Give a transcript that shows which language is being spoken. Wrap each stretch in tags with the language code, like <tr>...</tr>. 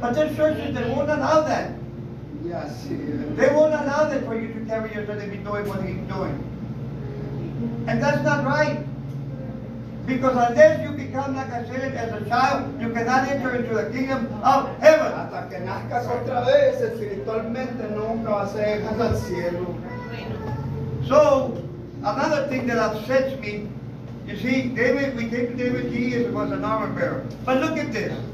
<en>But this church, they won't allow that. Yes. They won't allow that for you to carry your son and be doing what he's doing. And that's not right. Because unless you become, like I said, as a child, you cannot enter into the kingdom of heaven.</en> <es>Hasta que nazcas otra vez, espiritualmente nunca vas a llegar al cielo.</es> <en>So, another thing that upsets me, you see, David, we take David, he was an armor bearer. But look at this.</en>